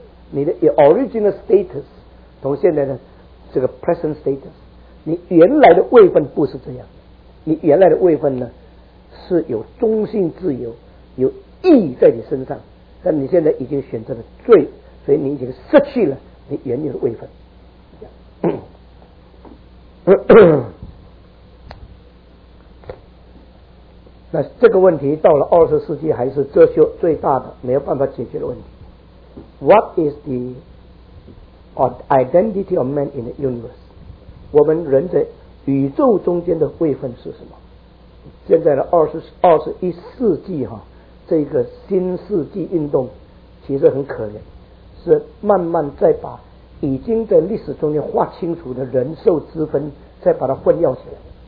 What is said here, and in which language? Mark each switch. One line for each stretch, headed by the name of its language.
Chinese: 你的
English: original status
Chinese: 同现在的这个
English: present status，
Chinese: 你原来的位分不是这样，你原来的位分呢是有中性自由，有义在你身上，但你现在已经选择了罪，所以你已经失去了你原有的位分。那这个问题到了二十世纪还是遮羞最大的没有办法解决的问题。
English: What is the identity of man in the universe？
Chinese: 我们人在宇宙中间的位分是什么？现在的二十一世纪哈，这个新世纪运动其实很可怜，是慢慢在把已经在历史中间划清楚的人兽之分再把它混淆起来。